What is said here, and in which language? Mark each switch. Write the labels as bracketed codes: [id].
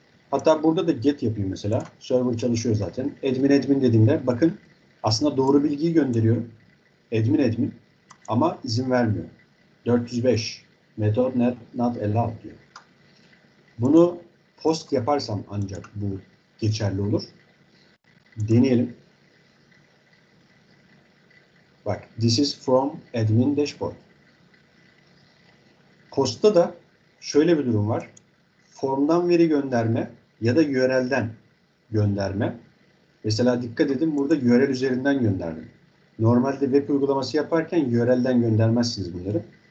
[tr] Hatta burada da get yapayım mesela. Server çalışıyor zaten. Admin admin dediğimde bakın aslında doğru bilgiyi gönderiyorum. Admin admin ama izin vermiyor. 405 [en] method not allowed [tr] diyor. Bunu post yaparsam ancak bu geçerli olur. Deneyelim. [en] Bak, this is from admin dashboard. [tr] Post'ta da şöyle bir durum var. Form'dan veri gönderme ya da URL'den gönderme. Mesela dikkat edin, burada URL üzerinden gönderdim. Normalde web uygulaması yaparken URL'den göndermezsiniz bunları.